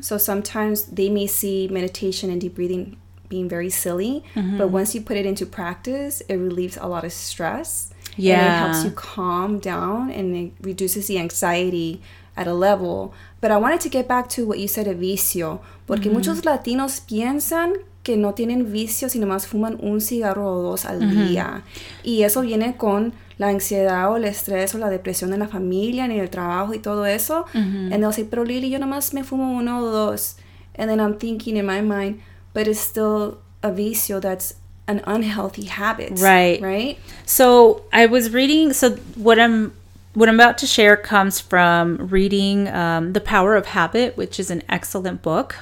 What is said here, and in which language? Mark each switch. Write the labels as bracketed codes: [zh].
[en] So sometimes they may see meditation and deep breathing being very silly. Mm-hmm. But once you put it into practice, it relieves a lot of stress. Yeah. And it helps you calm down and it reduces the anxiety at a level. But I wanted to get back to what you said, a vicio. [es] Porque mm-hmm. muchos Latinos piensan que no tienen vicio, sino más fuman un cigarro o dos al mm-hmm. día. Y eso viene con la ansiedad o el estrés o la depresión en la familia, en el trabajo y todo eso. Mm-hmm. [en] And they'll say, [es] pero Lily, yo nomás me fumo uno o dos. [en] And then I'm thinking in my mind, but it's still a vicio, that's an unhealthy habit. Right. Right? So I was reading, so what I'm about to share comes from reading The Power of Habit, which is an excellent book.